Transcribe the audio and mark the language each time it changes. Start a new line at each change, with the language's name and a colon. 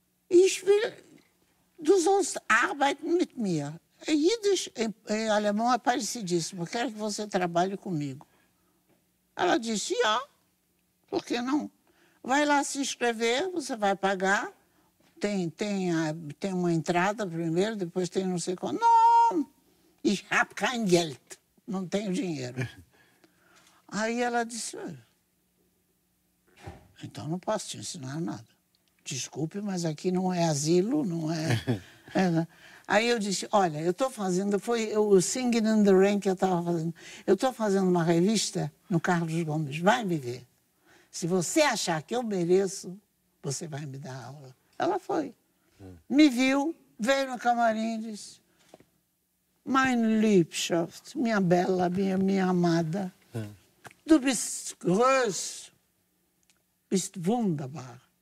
German: Ich will du sollst arbeiten mit mir.
Portuguese: Yiddish, em alemão, é parecidíssimo. Quero que você trabalhe comigo. Ela disse, ja, por que não? Vai lá se inscrever, você vai pagar. Tem uma entrada primeiro, depois tem não sei qual. Não,
German: ich hab kein Geld.
Portuguese: Não tenho dinheiro. Aí ela disse, então não posso te ensinar nada. Desculpe, mas aqui não é asilo, não é... Aí eu disse, olha, eu estou fazendo, foi o Singing in the Rain que eu estava fazendo. Eu estou fazendo uma revista no Carlos Gomes, vai me ver. Se você achar que eu mereço, você vai me dar aula. Ela foi. Me viu, veio no camarim e disse,
German: mein Liebschaft,
Portuguese: minha bela, minha amada.
German: Du bist groß, bist wunderbar.